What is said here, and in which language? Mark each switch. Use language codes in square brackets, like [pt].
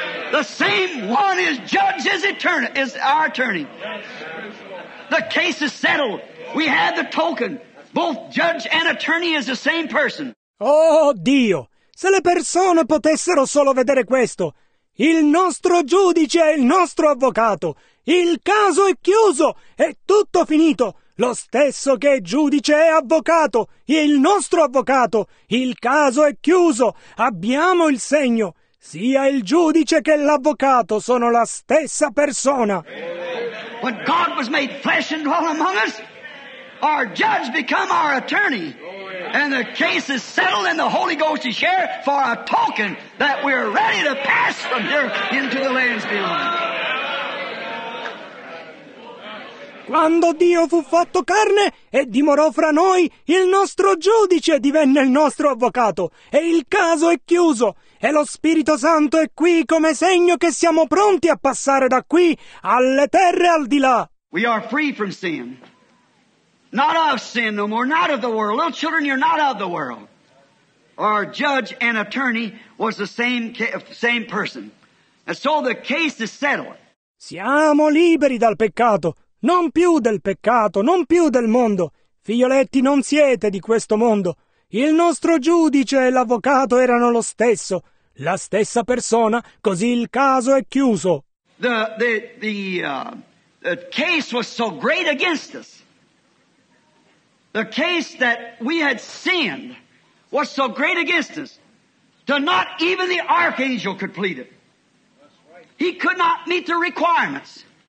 [en] The same one is judge is eternal, is our attorney. The case is settled. We had the token. Both judge and attorney is the same person. [it] Oh Dio, se le persone potessero solo vedere questo. Il nostro giudice è il nostro avvocato. Il caso è chiuso, è tutto finito. Lo stesso che è giudice è avvocato, è il nostro avvocato. Il caso è chiuso, abbiamo il segno. Sia il giudice che l'avvocato sono la stessa persona. [en] When God was made flesh and dwelt among us, our judge became our attorney. And the case is settled and the Holy Ghost is here for a token that we are ready to pass from here into the lands beyond. [it] Quando Dio fu fatto carne e dimorò fra noi, il nostro giudice divenne il nostro avvocato e il caso è chiuso e lo Spirito Santo è qui come segno che siamo pronti a passare da qui alle terre al di là. [en] We are free from sin. Not of sin no more, not of the world. Little children, you're not of the world. Our judge and attorney was the same person. And so the case is settled. [it] Siamo liberi dal peccato. Non più del peccato, non più del mondo. Figlioletti, non siete di questo mondo. Il nostro giudice e l'avvocato erano lo stesso. La stessa persona, così il caso è chiuso. [en] The case was so great against us. The case that we had sinned was so great against us that not even the archangel could plead it. He could not meet the requirements.